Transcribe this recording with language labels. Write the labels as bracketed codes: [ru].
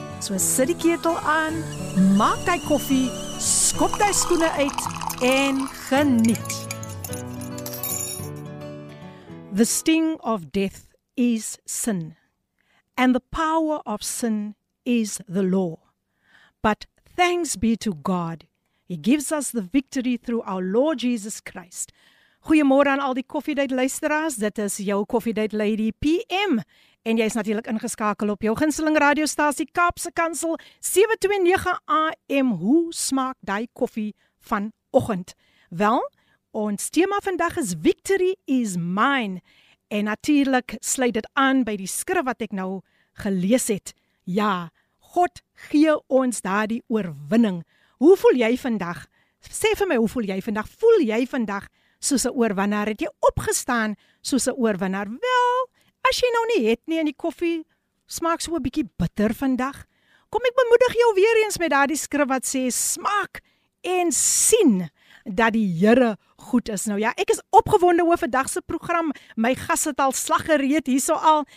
[af] So sit die ketel aan, maak jy koffie, skop jy skoene uit en geniet. [en] The sting of death is sin, and the power of sin is the law. But thanks be to God, He gives us the victory through our Lord Jesus Christ. [af] Goeiemôre aan al die koffiedייט luisteraars, dit is jou koffiedייט lady PM. En jy is natuurlik ingeskakel op jou gunsteling radiostasie Kaapse Kansel 729 AM. Hoe smaak daai koffie vanoggend? Wel, ons tema vandag is [en] Victory is Mine. [af] En natuurlik sluit dit aan by die skrif wat ek nou gelees het. Ja, God gee ons daardie oorwinning. Hoe voel jy vandag? Sê vir my, hoe voel jy vandag? Voel jy vandag soos 'n oorwinnaar? Het jy opgestaan soos 'n oorwinnaar? Wel, as jy nou nie het nie en die koffie smaak so 'n bietjie bitter vandag, kom ek bemoedig jou weer eens met daardie skrif wat sê, smaak en sien dat die Here goed is. Nou ja, ek is opgewonde oor vandag se program. My gas het al slag gereed hierso al.